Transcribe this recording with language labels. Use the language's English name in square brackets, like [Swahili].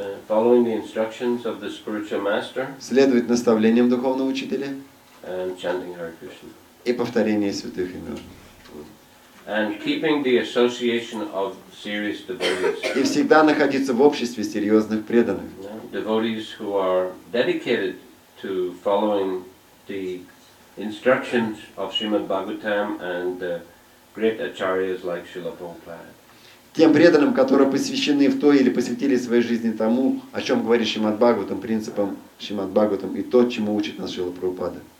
[English] Following the instructions of the spiritual master. [Russian] Следовать наставлениям духовного учителя. [English] And chanting Hare Krishna. [Russian] И повторение святых имен. [English] And keeping the association of serious devotees. [Russian] И всегда находиться в обществе серьезных преданных. [English] Devotees who are dedicated to following the instructions of Srimad Bhagavatam and great acharyas like Srila Prabhupada. [Russian] Тем преданным, которые посвящены в то или посвятили своей жизни тому, о чем говорит Шримад Бхагаватам, принципам Шримад Бхагаватам и то, чему учит нас Шрила Прабхупада.